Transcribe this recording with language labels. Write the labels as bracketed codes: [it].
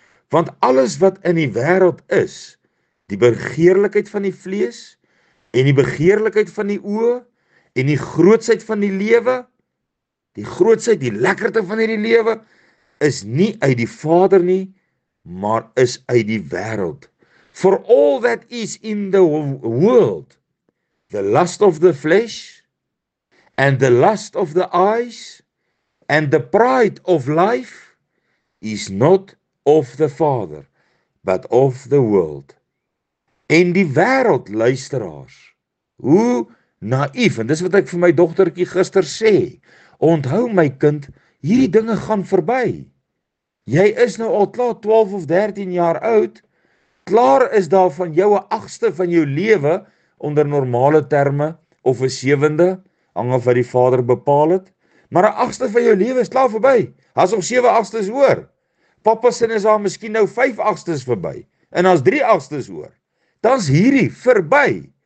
[af] Want alles wat in die wêreld is, die begeerlikheid van die vlees, en die begeerlikheid van die oë, en die grootsheid van die lewe, die grootsheid, die lekkerte van hierdie lewe, is nie uit die Vader nie, maar is uit die wêreld. [en] For all that is in the world, the lust of the flesh, and the lust of the eyes, and the pride of life, is not of the Father, but of the world. [af] En die wêreld, luisteraars, hoe naïef, en dis wat ek vir my dogtertjie gister sê, onthou my kind, hierdie dinge gaan verby. Jy is nou al klaar 12 of 13 jaar oud, klaar is daar van jou 'n agste van jou lewe, onder normale terme, of 'n sewende, hang af wat die Vader bepaal het, maar 'n agste van jou lewe is klaar verby, as om 7 agstes hoor, papa sin is daar miskien nou 5 agstes verby, en as 3 agstes hoor, dan is hierdie verby.